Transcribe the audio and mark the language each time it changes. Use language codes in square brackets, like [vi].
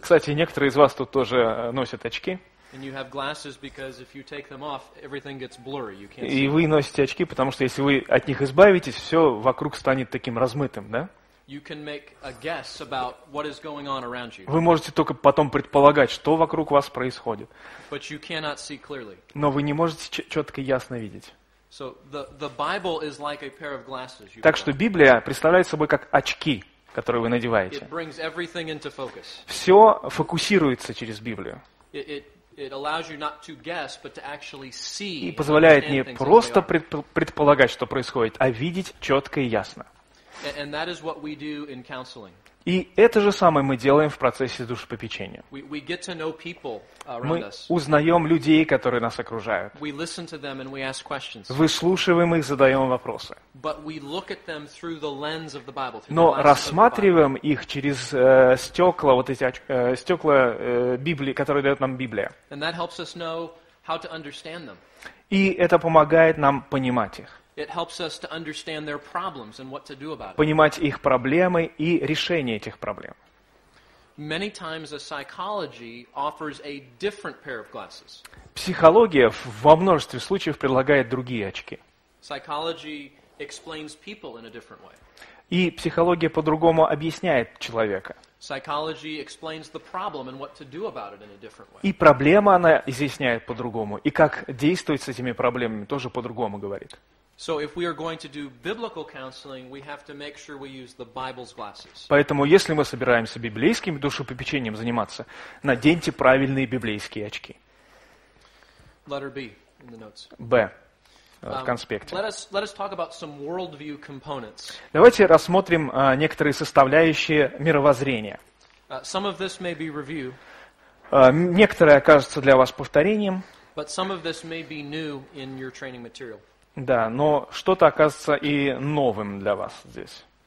[ru] Кстати, некоторые из вас тут тоже носят очки. [en] And you have glasses because if you take them off, everything gets blurry. You can't see. [ru] И вы носите очки, потому что если вы от них избавитесь, все вокруг станет таким размытым, да? [en] You can make a guess about what is going on around you. [ru] Вы можете только потом предполагать, что вокруг вас происходит. [en] But you cannot see clearly. [ru] Но вы не можете четко и ясно видеть. [en] So the Bible is like a pair of glasses. [ru] Так что Библия представляет собой как очки. которую вы надеваете. [en] It brings everything into focus. [ru] Все фокусируется через Библию. [en] It allows you not to guess, but to actually see. [ru] И позволяет не просто предполагать, что происходит, а видеть четко и ясно. [en] And that is what we do in counseling. [ru] И это же самое мы делаем в процессе душепопечения. [en] We get to know people around us. [ru] Мы узнаем людей, которые нас окружают. [en] We listen to them and we ask questions. [ru] Выслушиваем их, задаем вопросы. [en] But we look at them through the lens of the Bible. [ru] Но рассматриваем их через стекла, вот эти стекла Библии, которые дает нам Библия. [en] And that helps us know how to understand them. [ru] И это помогает нам понимать их. [en] It helps us to understand their problems and what to do about it. [ru] Понимать их проблемы и решение этих проблем. [en] Many times a psychology offers a different pair of glasses. [ru] Психология во множестве случаев предлагает другие очки. [en] Psychology explains people in a different way. [ru] И психология по-другому объясняет человека. [en] Psychology explains the problem and what to do about it in a different way. [ru] И проблема она изъясняет по-другому, и как действовать с этими проблемами тоже по-другому говорит. [en] So if we are going to do biblical counseling, we have to make sure we use the Bible's glasses. [ru] Поэтому если мы собираемся библейским душепопечением заниматься, наденьте правильные библейские очки. [en] Letter B in the notes. [ru] Б в конспекте. [en] Let us talk about some worldview components. [ru] Давайте рассмотрим некоторые составляющие мировоззрения. [en] Some of this may be review. [ru] Некоторое окажется для вас повторением. [en] But some of this may be new in your training material. [ru] Да, но что-то оказывается и новым для вас здесь.